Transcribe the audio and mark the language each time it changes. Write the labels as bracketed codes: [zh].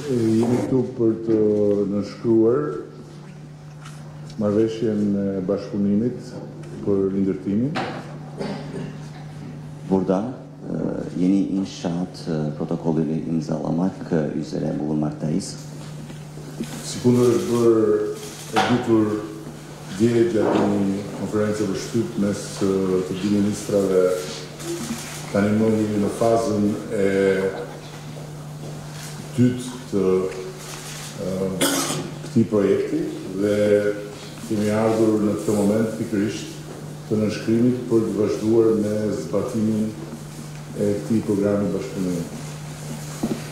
[sq] Yeni toportu nëshkruar marveshjen bashkëpunimit për ndërtimin. [tr] Burada yeni inşaat protokolünü imzalamak üzere bulunmaktayız. [sq] Si kundër është bërë e ditur dje gjatë një konferencë për shtypë mes të dy ministrave. Tani më jemi në fazën e dytë të këtij projekti dhe kemi ardhur në këtë moment pikërisht të nënshkrimit për të vazhduar me zbatimin e këtij programi bashkëpunimi.